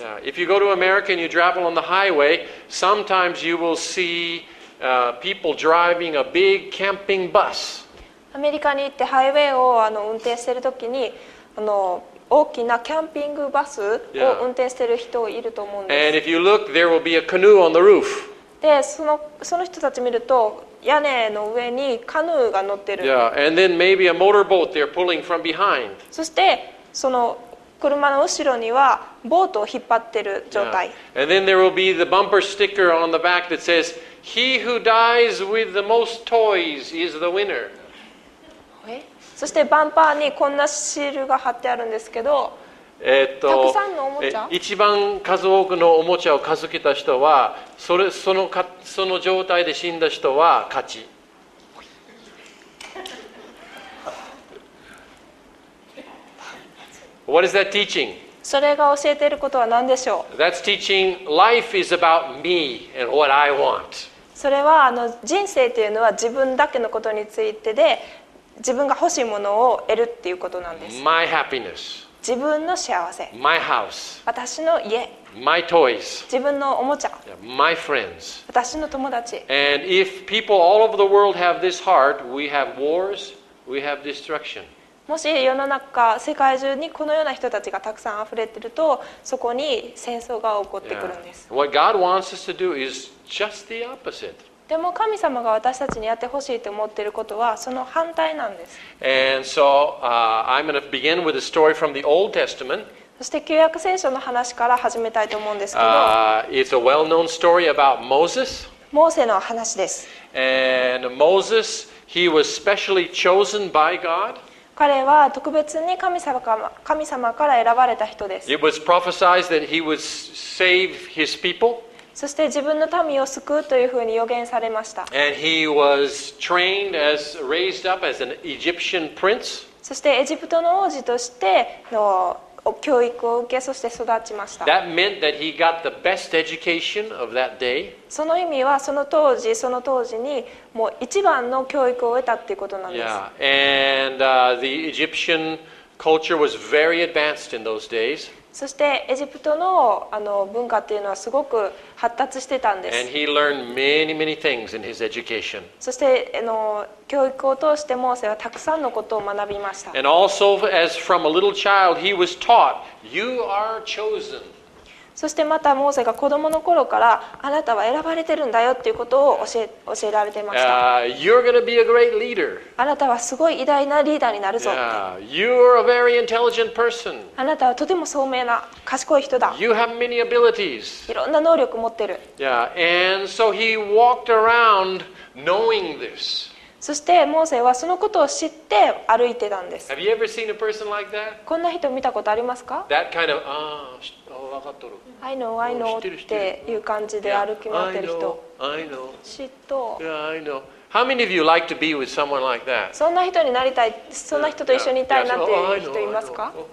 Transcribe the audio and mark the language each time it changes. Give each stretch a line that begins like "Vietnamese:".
English: Yeah. If you go to America and you travel on the highway, sometimes you will see people driving a big camping bus.
Japanese: アメリカに行ってハイウェイを運転してるときに大きなキャンピングバスを運転している人いると思うんです。
English: And if you look, there will be a canoe on the roof.
Japanese: で、その人たち見ると屋根の上にカヌーが乗ってる。
English: Yeah, and then maybe a motorboat they're pulling from behind.
Japanese: そしてその車の後ろにはボートを引っ張ってる状態。
English: Yeah. And then there will be the bumper sticker on the back that says, "He who dies with the most toys is the winner."
Japanese: そしてバンパーにこんなシールが貼ってあるんですけど、たくさんのおもちゃ、一番数多くのおもちゃを数けた人は、その状態で死んだ人は勝ち。
English: What is that teaching?
Japanese: それが教えていることは何でしょう。
English: That's teaching life is about me and what I want.
Japanese: それは人生というのは自分だけのことについてで、自分が欲しいものを得るっていうことなんです。
English: My happiness.
Japanese: 自分の幸せ。
English: My house.
Japanese: 私の家。
English: My toys.
Japanese: 自分のおもちゃ。
English: My friends.
Japanese: 私の友達。
English: And if people all over the world have this heart, we have wars, we have destruction.
Japanese: もし世の中、世界中にこのような人たちがたくさん溢れていると、そこに戦争が起こってくるんです。
English: Yeah. What God wants us to do is just the opposite.
Japanese: でも神様が私たちにやってほしいと思っていることはその反対なんです。
English: And so, I'm going to begin with a story from the Old Testament.
Japanese: そして旧約聖書の話から始めたいと思うんですけど、
English: It's a well-known story about Moses.
Japanese: モーセの話です。
English: And Moses, he was specially chosen by God.
Japanese: 彼は特別に神様から選ばれた人です。
English: It was prophesied that he would save his people.
Japanese: そして自分の民を救うというふうに予言されました。
English: And he was trained as raised up as an Egyptian prince.
Japanese: そしてエジプトの王子としての教育を受け、そして育ちました。
English: That meant that he got the best education of that day.
Japanese: その意味はその当時にもう一番の教育を得たっていうことなんです。
English: Yeah. And the Egyptian culture was very advanced in those days.
Japanese: そしてエジプトの文化っていうのはすごく発達してたんです。
English: And he learned many, many things in his education.
Japanese: そして教育を通してモーセはたくさんのことを学びました。
English: And also as from a little child he was taught, you are chosen.
Japanese: そしてまたモーセが子供の頃からあなたは選ばれてるんだよっていうことを教えられていました。
English: You're going to be a great leader.
Japanese: あなたはすごい偉大なリーダーになるぞ。
English: You're a very intelligent person.
Japanese: あなたはとても聡明な賢い人だ。
English: You have many abilities.
Japanese: いろんな能力持ってる。
English: Yeah. And so he walked around knowing this.
Japanese: そしてモーセはそのことを知って歩いてたんです。
English: Have you ever seen a person like that?
Japanese: こんな人見たことありますか？
English: That kind of, ah,
Japanese: わかっとる。
English: I know, I know
Japanese: っていう感じで歩き回ってる人。
English: Yeah, I know, I know.
Japanese: 嫉妬。
English: Yeah, I know. How many of you like to be with someone like that?
Japanese: そんな人になりたい、そんな人と一緒にいたいなっていう人いますか？